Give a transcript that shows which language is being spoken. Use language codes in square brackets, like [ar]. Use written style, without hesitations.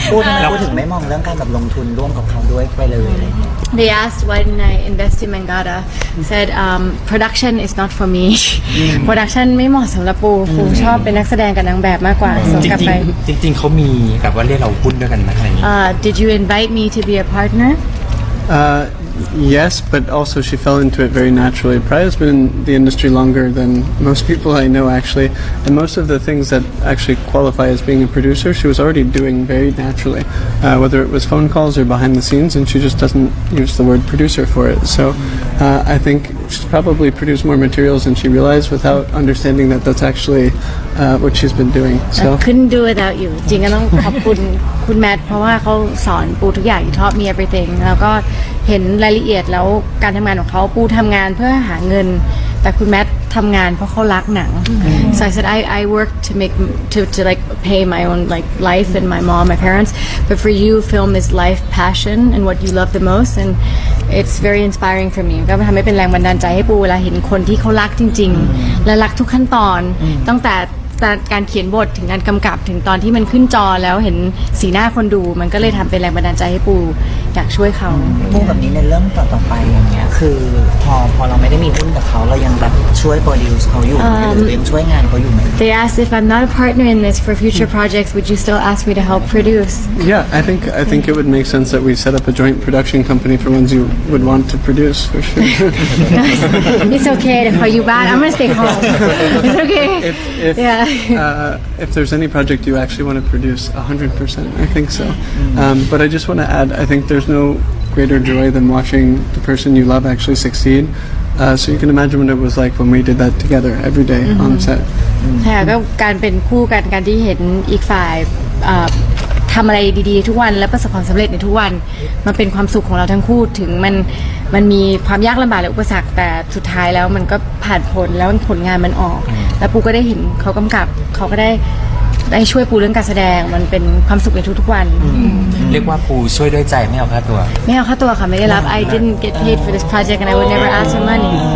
[th] ปูถึงไม่มองเรื่องการแบบลงทุนร่วมกับเขาด้วยไปเลย [en] They asked why didn't I invest in Mangada said production is not for me production [th] ไม่เหมาะสำหรับปูปูชอบเป็นนักแสดงกับนางแบบมากกว่า จริงๆเขามีแบบว่าเรียกเราหุ้นด้วยกันไหมอะไรอย่าง นี้ [en] Did you invite me to be a partner Yes, but also she fell into it very naturally. Priya has been in the industry longer than most people I know, actually. And most of the things that actually qualify as being a producer, she was already doing very naturally, whether it was phone calls or behind the scenes, and she just doesn't use the word producer for it. So I think she's probably produced more materials than she realized without understanding that that's actually what she's been doing. So. I couldn't do without you. [th] จริงๆ ต้องขอบคุณคุณแมทเพราะว่าเขาสอนปูทุกอย่าง [en] he taught me everything. [th] แล้วก็เห็นรายละเอียดแล้วการทำงานของเขาปูทำงานเพื่อหาเงินแต่คุณแมททำงานเพราะเขารักหนัง [en] so I said I work to make to like pay my own like life and my mom my parents but for you film is life passion and what you love the most and it's very inspiring for me [th] ก็ทำให้เป็นแรงบันดาลใจให้ปูเวลาเห็นคนที่เขารักจริงๆและรักทุกขั้นตอนตั้งแต่ การเขียนบทถึงการกำกับถึงตอนที่มันขึ้นจอแล้วเห็นสีหน้าคนดูมันก็เลยทำเป็นแรงบันดาลใจให้ปูอยากช่วยเขา พูดแบบนี้ในเรื่องต่อไปอย่างเงี้ยคือพอเราไม่ได้มีหุ้นกับเขาเรายังแบบช่วยโปรดิวส์เขาอยู่หรือยังช่วยงานเขาอยู่ไหม [en] They asked if I'm not a partner in this for future projects would you still ask me to help produce Yeah I think it would make sense that we set up a joint production company for ones you would want to produce for sure It's okay to call you back I'm gonna stay home It's okay if there's any project you actually want to produce 100% I think so but I just want to add I think there's no greater joy than watching the person you love actually succeed so you can imagine what it was like when we did that together every day on set [th] แต่การเป็นคู่กันการที่เห็นอีกฝ่ายทำอะไรดีๆทุกวันและประสบความสำเร็จในทุกวันมันเป็นความสุขของเราทั้งคู่ถึงมันมีความยากลำบากและอุปสรรคแต่สุดท้ายแล้วมันก็ผ่านพ้นแล้วผลงานมันออกแล้วปูก็ได้เห็นเขากำกับเขาก็ได้ช่วยปูเรื่องการแสดงมันเป็นความสุขในทุกๆวัน เรียกว่าปูช่วยด้วยใจไม่เอาค่าตัว ไม่เอาค่าตัวค่ะไม่ได้รับ [en] I didn't get paid for this project and I would never ask for money